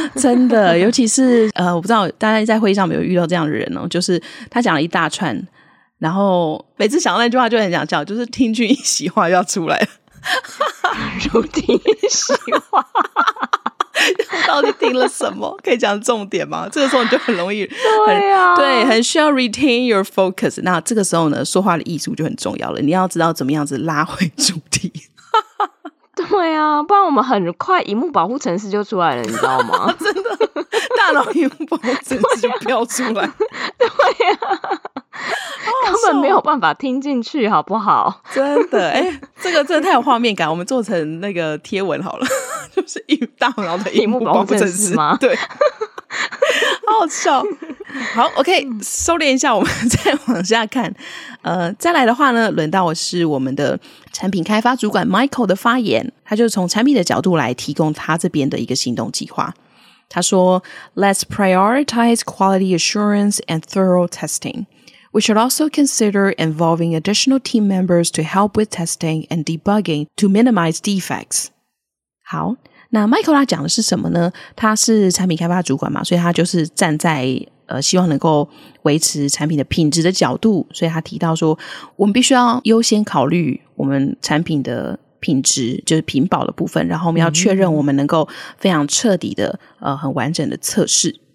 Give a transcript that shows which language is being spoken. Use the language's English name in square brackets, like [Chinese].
[Chinese] 真的，尤其是我不知道大家在会议上有没有遇到这样的人哦，就是他讲了一大串，然后每次想到那句话就很想叫，就是听君一席话就要出来了。如听一席话。到底听了什么？可以讲重点吗？这个时候你就很容易很对,、啊、对，很需要 [English] retain your focus。 [Chinese] 那这个时候呢，说话的艺术就很重要了，你要知道怎么样子拉回主题。对啊，不然我们很快荧幕保护程式就出来了，你知道吗？真的，大脑荧幕保护程式就飘出来。对啊，根本没有办法听进去，好不好？真的，哎、欸，这个真的太有画面感，我们做成那个贴文好了，就是大脑的荧幕保护程式吗？对，好笑。好 ，OK， 收敛一下，我们再往下看。再来的话呢，轮到我是我们的产品开发主管 Michael 的发言，他就从产品的角度来提供他这边的一个行动计划。他说 ：“ [English] Let's prioritize quality assurance and thorough testing.” We should also consider involving additional team members to help with testing and debugging to minimize defects. [Chinese] 好，那 Michael 他讲的是什么呢？他是产品开发主管嘛，所以他就是站在希望能够维持产品的品质的角度，所以他提到说，我们必须要优先考虑我们产品的品质，就是品保的部分，然后我们要确认我们能够非常彻底的很完整的测试。